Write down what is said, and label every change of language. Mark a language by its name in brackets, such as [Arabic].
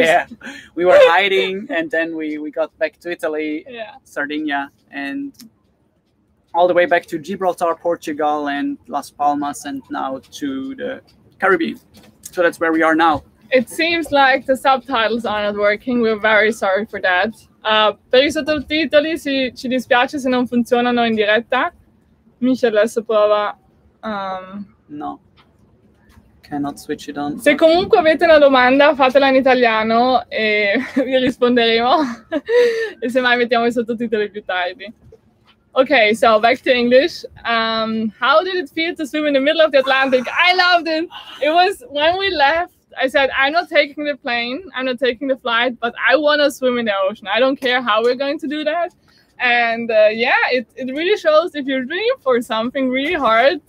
[English] Yeah, we were hiding and then we got back to Italy, yeah. Sardinia, and all the way back to Gibraltar, Portugal, and Las Palmas, and now to the Caribbean. So that's where we are now. It seems like the subtitles are not working. We're very sorry for that. [Italian] Per i sottotitoli ci dispiace se non funzionano in diretta. Michel adesso prova. [English] No, cannot switch it on. [Italian] Se comunque avete una domanda, fatela in italiano e vi risponderemo. E se mai mettiamo i sottotitoli più tardi. [English] Okay, so back to English. How did it feel to swim in the middle of the Atlantic? I loved it. It was when we left. I said, I'm not taking the plane, I'm not taking the flight, but I want to swim in the ocean. I don't care how we're going to do that. And it really shows if you dream for something really hard.